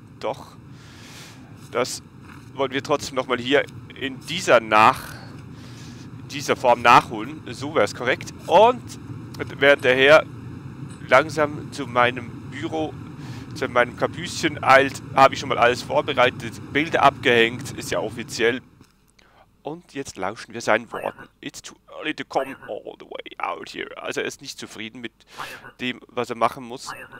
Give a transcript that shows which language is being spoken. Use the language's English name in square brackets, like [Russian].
[German] Doch, das wollen wir trotzdem nochmal hier in dieser Form nachholen. So wäre es korrekt. Und während der Herr langsam zu meinem Büro, zu meinem Kapüschen eilt, habe ich schon mal alles vorbereitet, Bilder abgehängt, ist ja offiziell. Und jetzt lauschen wir seinen Worten. [English] It's too early to come all the way out here. [German] Also er ist nicht zufrieden mit dem, was er machen muss.